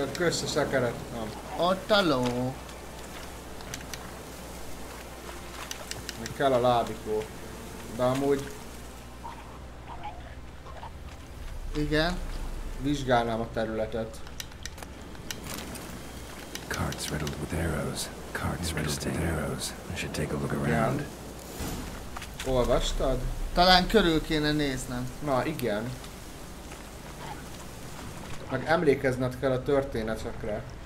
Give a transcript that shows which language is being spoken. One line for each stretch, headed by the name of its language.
Hungarian: Kösz a szekeret. Nem. Ott a ló. Még kell a lábikó. De amúgy... igen. Vizsgálnám a területet.
English: Carts riddled with arrows. Carts riddled with arrows. I should take a look around.
Hungarian: Olvastad? Talán körül kéne néznem. Na, igen. Meg emlékezned kell a történetekre.